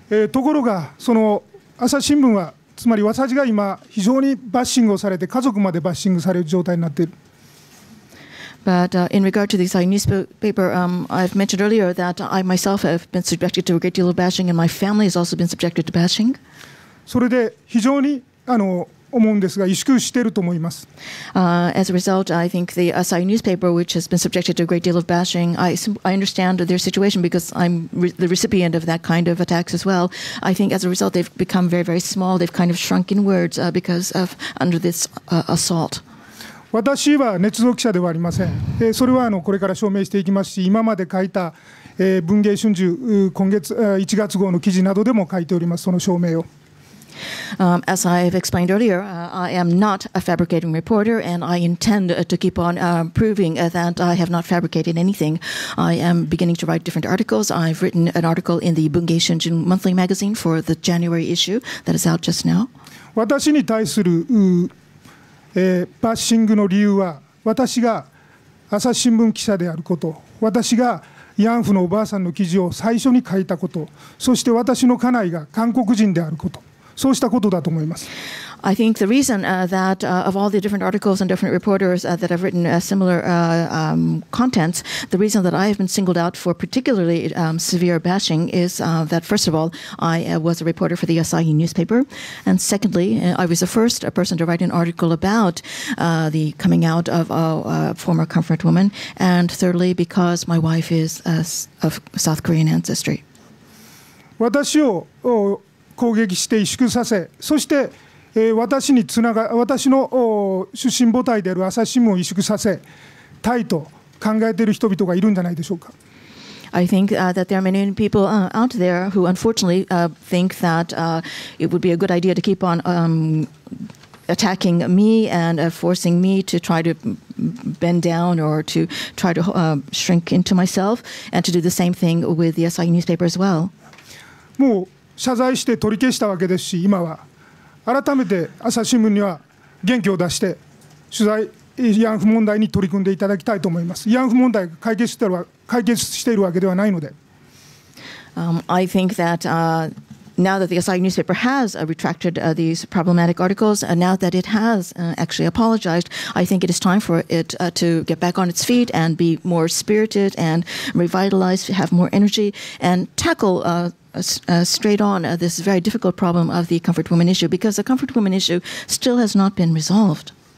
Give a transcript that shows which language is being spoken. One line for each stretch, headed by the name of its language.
Japanese: ところがその朝日新聞はつまり私が今非常にバッシングをされて家族までバッシングされる状態になっている。
English: But in regard to this newspaper, I've mentioned earlier that I myself have been subjected to a great deal of bashing, and my family has also been subjected to bashing.
Japanese: それで非常に思うんですが萎縮していると思います。
English: As a result, I think the Asahi newspaper, which has been subjected to a great deal of bashing, I understand their situation because I'm the recipient of that kind of attacks as well. I think as a result, they've become very, very small. They've kind of shrunk in words because of under this assault.
Japanese: 私は捏造記者ではありません。それはこれから証明していきますし、今まで書いた文藝春秋今月1月号の記事などでも書いておりますその証明を。
English: As I have explained earlier, I am not a fabricating reporter, and I intend to keep on proving that I have not fabricated anything. I am beginning to write different articles. I've written an article in the Bungei Shunjin Monthly Magazine for the January issue that is out just now.
Japanese: 私に対する、バッシングの理由は、私が朝日新聞記者であること、私が慰安婦のおばあさんの記事を最初に書いたこと、そして私の家内が韓国人であること。そうしたことだと思います。
English: I think the reason that of all the different articles and different reporters that have written similar contents, the reason that I have been singled out for particularly severe bashing is that first of all, I was a reporter for the Asahi newspaper, and secondly, I was the first person to write an article about the coming out of a former comfort woman, and thirdly, because my wife is of South Korean ancestry.
Japanese: 私を攻撃して萎縮させ、そして私の出身母体である朝日新聞を萎縮させたいと考えている人々がいるんじゃないでしょうか。
English: I think that there are many people out there who unfortunately think that it would be a good idea to keep on attacking me and forcing me to try to bend down or to try to shrink into myself and to do the same thing with the SI newspaper as well.
Japanese: もう謝罪して取り消したわけですし、今は改めて朝日新聞には元気を出して取材慰安婦問題に取り組んでいただきたいと思います。慰安婦問題が解決しているわけではないので。
English: I think that now that the Asahi newspaper has retracted these problematic articles, and now that it has actually apologized, I think it is time for it to get back on its feet and be more spirited and revitalized, have more energy and tackle straight on this very difficult problem of the comfort woman issue, because the comfort woman issue still has not been resolved.